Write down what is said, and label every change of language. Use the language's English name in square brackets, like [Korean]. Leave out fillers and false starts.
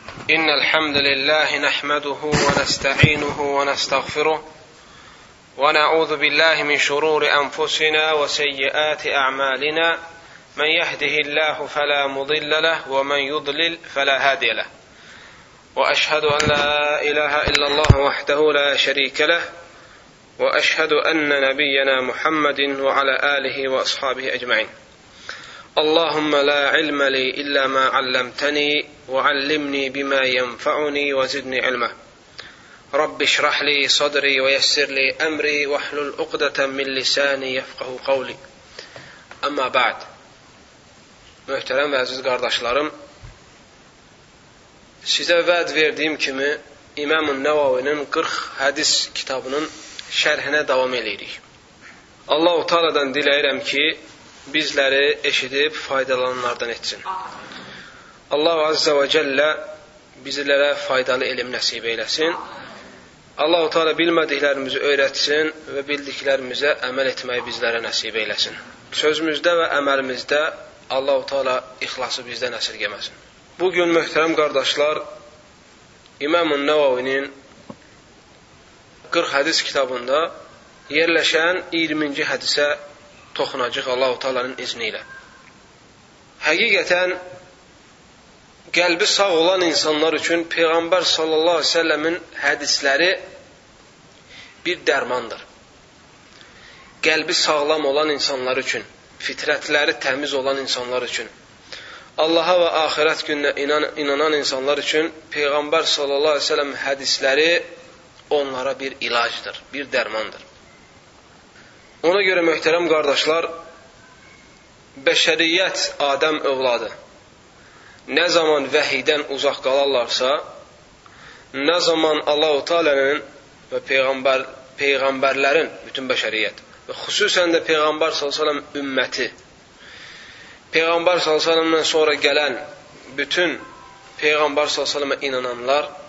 [Arabic] إن الحمد لله نحمده ونستعينه ونستغفره ونعوذ بالله من شرور أنفسنا وسيئات أعمالنا، من يهده الله فلا مضل له ومن يضلل فلا هادي له، وأشهد أن لا إله إلا الله وحده لا شريك له، وأشهد أن نبينا محمد وعلى آله وأصحابه أجمعين. اللهم لا علم لي إلا ما علمتني وعلمني بما ينفعني وزدني علما، رب اشرح لي صدري ويسر لي أمري واحلل عقدة من لساني يفقه قولي. أما بعد، محترم وعزيز [Turkish] قardeşlerim، size vaad verdiğim kimi İmam Nevavi'nin 40 hadis kitabının şerhine devam edirik. Allah-u Teala'dan dileyirəm ki bizleri eşidib faydalananlardan etsin. Allah Azze ve Celle bizlere faydalı ilim nasip eylesin. Allah-u Teala bilmediklerimizi öğretsin ve bildiklerimize emel etmeyi bizlere nasip eylesin. Sözümüzde ve emelimizde Allah-u Teala ihlası bizden esirgemesin. Bugün mühterem kardeşler, İmam-ı Nevavi'nin 40 hadis kitabında yerleşen 20. hadise toxunacaq Allah-u Teala'nın izniyle. [Azerbaijani] Həqiqətən, qəlbi sağ olan insanlar üçün Peygamber sallallahu aleyhi ve sellemin hədisləri bir dərmandır. Qəlbi sağlam olan insanlar üçün, fitrətləri təmiz olan insanlar üçün, Allaha və ahirət gününə inanan insanlar üçün Peygamber sallallahu aleyhi ve sellemin hədisləri onlara bir ilacdır, bir dərmandır. [Turkish] Ona göre mühterem kardeşler, beşeriyet Adem evladı ne zaman vahiyden uzak kalarlarsa, ne zaman Allah-u Teala'nın ve peygamberlerin bütün beşeriyet ve hususen de Peygamber sallallahu aleyhi ve sellem ümmeti, Peygamber sallallahu aleyhi ve sellemden sonra gelen bütün Peygamber sallallahu aleyhi ve sellem'e inananlar,